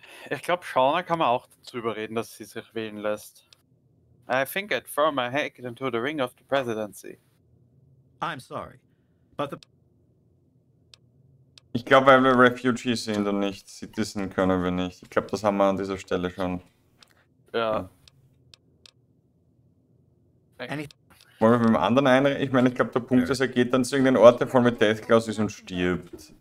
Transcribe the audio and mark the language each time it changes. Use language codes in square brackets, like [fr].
[de] Ich glaube, Shauna kann man auch dazu überreden, dass sie sich wählen lässt. [en] I think I'd throw my head into the ring of the presidency. I'm sorry, but the... [de] Ich glaube, weil wir Refugees sind und nicht Citizen können wir nicht. Ich glaube, das haben wir an dieser Stelle schon. Ja. Wollen wir mit dem anderen einreden? Ich meine, ich glaube, der Punkt ist, er geht dann zu irgendeinem Ort, der voll mit Deathclaws ist und stirbt.